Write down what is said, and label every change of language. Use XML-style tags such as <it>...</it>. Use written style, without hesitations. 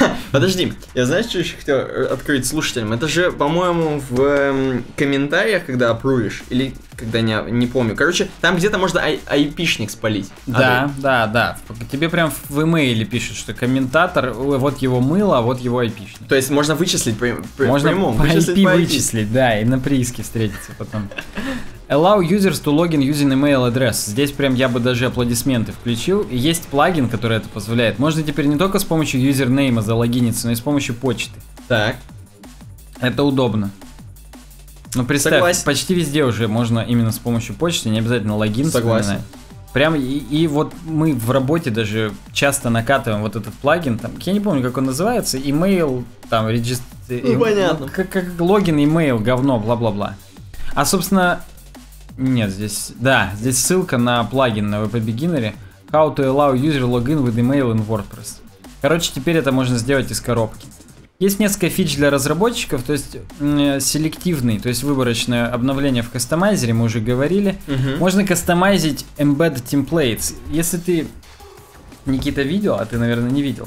<ru>Подожди, я знаешь, что еще хотел открыть слушателям? Это же, по-моему, в комментариях, когда опрувишь, или когда не помню. Короче, там где-то можно IP-шник спалить. Да, Тебе прям в имейле пишут, что комментатор, вот его мыло, а вот его IP-шник. То есть можно вычислить прямо? Можно по IP вычислить, да, и на прииске встретиться потом.</ru> <en>Allow users to log in using email address.</en> <ru>Здесь прям я бы даже аплодисменты включил. Есть плагин, который это позволяет. Можно теперь не только с помощью юзернейма залогиниться, но и с помощью почты. Так. Это удобно. Ну представь, согласен. Почти везде уже можно именно с помощью почты, не обязательно логин. Согласен. Прям и вот мы в работе даже часто накатываем вот этот плагин. Там, я не помню, как он называется. Email, там, регистр... Ну, понятно. Как логин, email, говно, бла-бла-бла. А, собственно... Нет, здесь... Да, здесь ссылка на плагин на WP Beginner.</ru> <en>How to allow user login with email in WordPress.</en> <ru>Короче, теперь это можно сделать из коробки. Есть несколько фич для разработчиков, то есть селективный, то есть выборочное обновление в кастомайзере, мы уже говорили. Uh-huh. Можно кастомайзить embed templates. Если ты, Никита, видел, а ты, наверное, не видел.</ru>